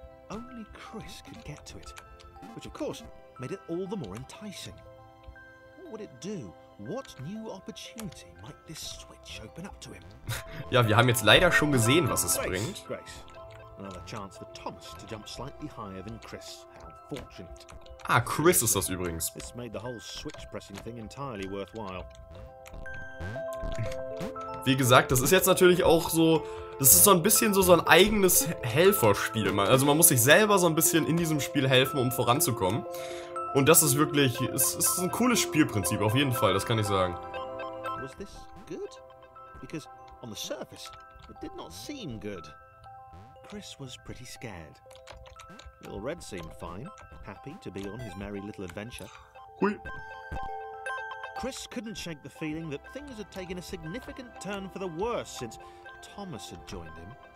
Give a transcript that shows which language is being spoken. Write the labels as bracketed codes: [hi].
[en] Only Chris could get to it. Which of course made it all the more enticing. What would it do? What new opportunity might this switch open up to him? [de] Ja, wir haben jetzt leider schon gesehen, was es bringt. [en] Grace. Another chance for Thomas to jump slightly higher than Chris. How fortunate. [de] Ah, Chris ist das übrigens. [en] This made the whole switch pressing thing entirely worthwhile. [de] Wie gesagt, das ist jetzt natürlich auch so, das ist so ein bisschen so ein eigenes Helferspiel. Also man muss sich selber so ein bisschen in diesem Spiel helfen, um voranzukommen. Und das ist wirklich, es ist ein cooles Spielprinzip, auf jeden Fall, das kann ich sagen. [en] Was this good? Because on the surface, it did not seem good. Chris was pretty scared. Little Red seemed fine, happy to be on his merry little adventure. Hui. Chris couldn't shake the feeling that things had taken a significant turn for the worse since Thomas had joined him.